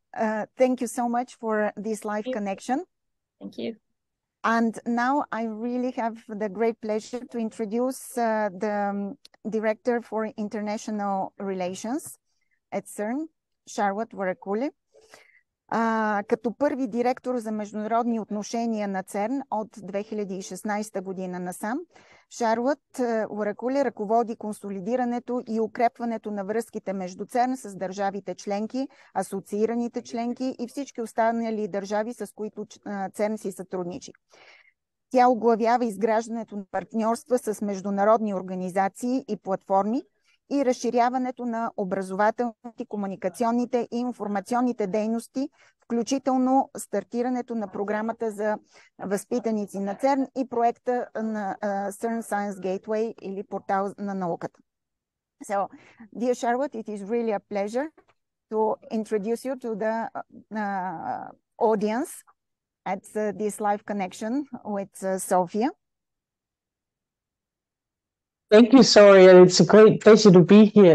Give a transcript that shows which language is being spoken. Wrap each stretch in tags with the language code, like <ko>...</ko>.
<en>And thank you so much for this live connection. Thank you. And now I really have the great pleasure to introduce the Director for International Relations at CERN, Шарлот Варакули.</en> <bg>Като първи директор за международни отношения на ЦЕРН от 2016 година насам, Шарлот Варакули ръководи консолидирането и укрепването на връзките между ЦЕРН с държавите членки, асоциираните членки и всички останали държави, с които ЦЕРН си сътрудничи. Тя оглавява изграждането на партньорства с международни организации и платформи и разширяването на образователните, комуникационните и информационните дейности, включително стартирането на програмата за възпитаници на ЦЕРН и проекта на CERN Science Gateway, или портал на науката.</bg> <en>So, dear Charlotte, it is really a pleasure to introduce you to the audience at this live connection with Sofia. Thank you, Soria. It's a great pleasure to be here.</en>